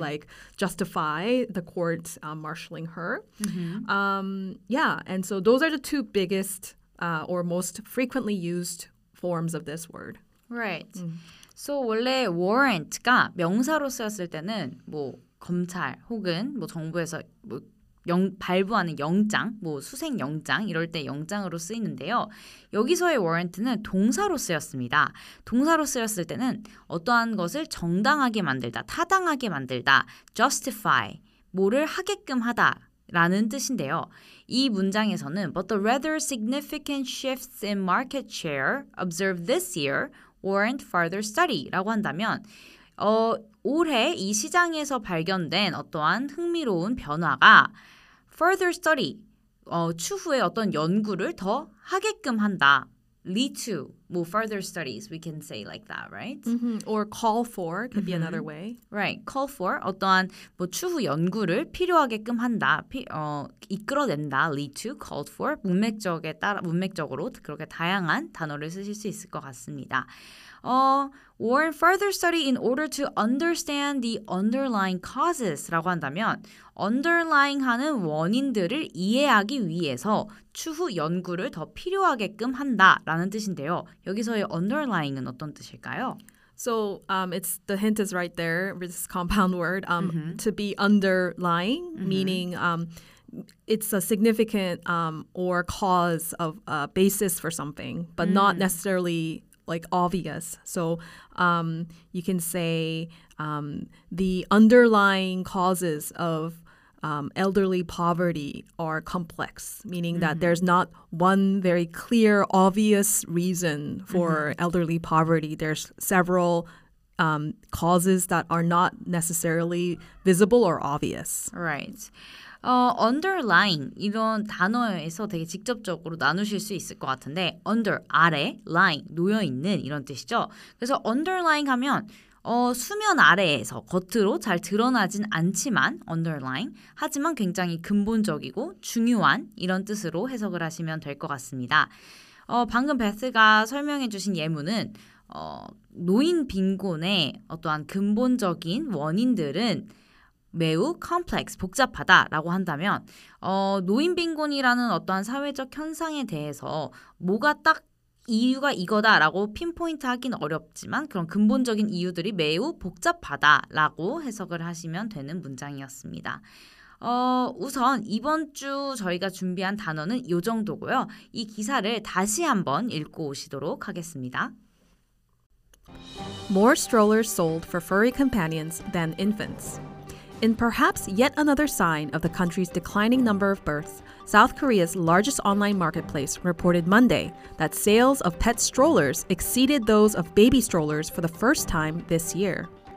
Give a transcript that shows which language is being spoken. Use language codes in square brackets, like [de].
[en] like justify the court marshaling her. Mm-hmm. And so those are the two biggest or most frequently used forms of this word. Right. Mm-hmm. [ko] So 원래 warrant가 명사로 쓰였을 때는 뭐 검찰 혹은 뭐 정부에서 뭐 발부하는 영장, 뭐 수색 영장 이럴 때 영장으로 쓰이는데요. 여기서의 warrant는 동사로 쓰였습니다. 동사로 쓰였을 때는 어떠한 것을 정당하게 만들다, 타당하게 만들다, justify, 뭐를 하게끔 하다 라는 뜻인데요. 이 문장에서는 But the rather significant shifts in market share observed this year warrant further study 라고 한다면 올해 이 시장에서 발견된 어떠한 흥미로운 변화가 further study, 추후에 어떤 연구를 더 하게끔 한다. [en] Lead to, 뭐 further studies, we can say like that, right? Mm-hmm. Or call for, could mm-hmm. be another way. [ko] Right, call for, 어떠한 뭐 추후 연구를 필요하게끔 한다, 이끌어낸다, lead to, called for, 문맥적으로 그렇게 다양한 단어를 쓰실 수 있을 것 같습니다. Warrant further study in order to understand the underlying causes 라고 한다면 underlying 하는 원인들을 이해하기 위해서 추후 연구를 더 필요하게끔 한다 라는 뜻인데요. 여기서의 underlying은 어떤 뜻일까요? [en] So it's the hint is right there with this compound word mm-hmm. to be underlying mm-hmm. meaning it's a significant or cause of a basis for something but mm. not necessarily like obvious. So you can say the underlying causes of elderly poverty are complex, meaning mm-hmm. that there's not one very clear, obvious reason for mm-hmm. elderly poverty. There's several causes that are not necessarily visible or obvious. Right. [ko] Underlying 이런 단어에서 되게 직접적으로 나누실 수 있을 것 같은데 under 아래 line 놓여 있는 이런 뜻이죠. 그래서 underlying 하면 수면 아래에서 겉으로 잘 드러나진 않지만 underlying 하지만 굉장히 근본적이고 중요한 이런 뜻으로 해석을 하시면 될 것 같습니다. 방금 베스가 설명해 주신 예문은 노인 빈곤의 어떠한 근본적인 원인들은 매우 complex, 복잡하다라고 한다면 노인 빈곤이라는 어떠한 사회적 현상에 대해서 뭐가 딱 이유가 이거다라고 핀포인트 하긴 어렵지만 그런 근본적인 이유들이 매우 복잡하다라고 해석을 하시면 되는 문장이었습니다. 우선 이번 주 저희가 준비한 단어는 요 정도고요. 이 기사를 다시 한번 읽고 오시도록 하겠습니다. [en] More strollers sold for furry companions than infants. In perhaps yet another sign of the country's declining number of births, South Korea's largest online marketplace reported Monday that sales of pet strollers exceeded those of baby strollers for the first time this year.